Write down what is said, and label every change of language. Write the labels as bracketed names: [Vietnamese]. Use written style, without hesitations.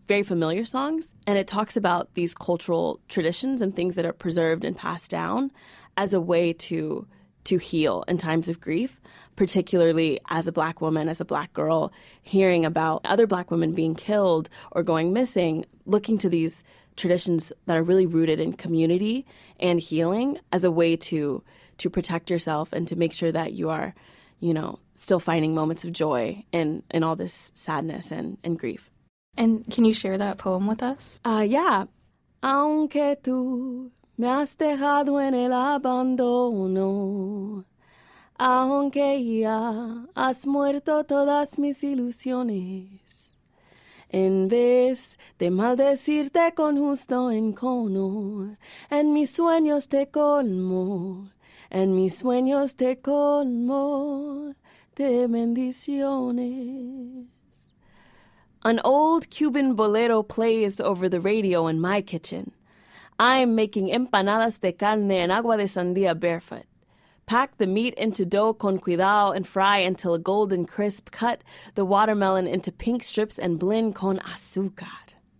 [English] Very familiar songs. And it talks about these cultural traditions and things that are preserved and passed down as a way to heal in times of grief, particularly as a Black woman, as a Black girl, hearing about other Black women being killed or going missing, looking to these traditions that are really rooted in community and healing as a way to protect yourself and to make sure that you are, you know, still finding moments of joy in all this sadness and grief. And can you share that poem with us? Yeah. [Spanish] Aunque tú me has dejado en el abandono, aunque ya has muerto todas mis ilusiones, en vez de maldecirte con justo encono, en mis sueños te colmo, en mis sueños te colmo de bendiciones. [English] An old Cuban bolero plays over the radio in my kitchen. I'm making empanadas de carne and agua de sandía barefoot. Pack the meat into dough [Spanish] con cuidado [English] and fry until a golden crisp. Cut the watermelon into pink strips and blend [Spanish] con azúcar.